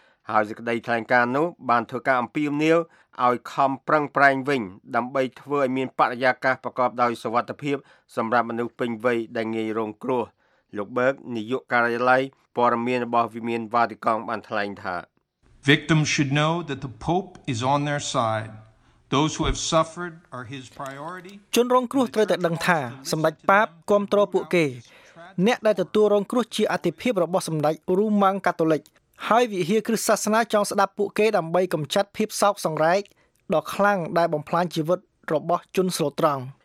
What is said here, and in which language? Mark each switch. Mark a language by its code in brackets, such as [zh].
[km] ហើយសេចក្តីថ្លែងការណ៍នោះបានធ្វើការអំពាវនាវឲ្យខំប្រឹងប្រែងវិញដើម្បីធ្វើឲ្យមានបរិយាកាសប្រកបដោយសុវត្ថិភាពសម្រាប់មនុស្សពេញវ័យដែលងាយរងគ្រោះលោកបើកនាយកការិយាល័យព័ត៌មានរបស់វិមានវ៉ាទីកង់បានថ្លែងថា [en] Victims should know that the Pope is on their side. Those who have suffered are his priority. [km] ជនរងគ្រោះត្រូវតែដឹងថាសម្ដេចបាបគ្រប់គ្រងពួកគេអ្នកដែលទទួលរងគ្រោះជាអធិភាពរបស់សម្ដេចរូម៉ាំងកាតូលិកហើយវិហារគ្រឹះសាសនាចង់ស្ដាប់ពួកគេដើម្បីកម្ចាត់ភាពសោកសង្រេតដ៏ខ្លាំងដែលបំផ្លាញជីវិតរបស់ជនស្លូតត្រង់